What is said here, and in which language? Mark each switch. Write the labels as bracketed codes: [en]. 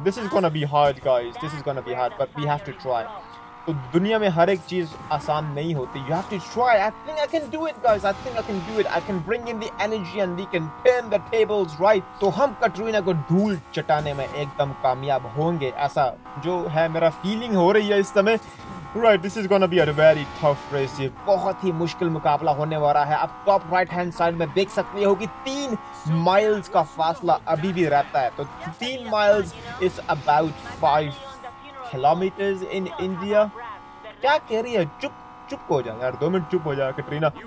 [en] This is gonna be hard, guys. This is gonna be hard, but we have to try. [hi] तो दुनिया में हर एक चीज आसान नहीं होती. [en] You have to try. I think I can do it, guys. I think I can do it. I can bring in the energy and we can turn the tables, right? [hi] तो हम कैटरीना को धूल चटाने में एकदम कामयाब होंगे, ऐसा जो है मेरा फीलिंग हो रही है इस समय. [en] Right, this is gonna be a very tough race. [hi] ये बहुत ही मुश्किल मुकाबला होने वाला है. आप टॉप राइट हैंड साइड में देख सकते हो कि 3 miles का फासला अभी भी रहता है. तो [en] 3 miles is about 5 kilometers in India. [hi] क्या कह रही है? चुप चुप हो जा यार, 2 मिनट चुप हो जा कैटरीना.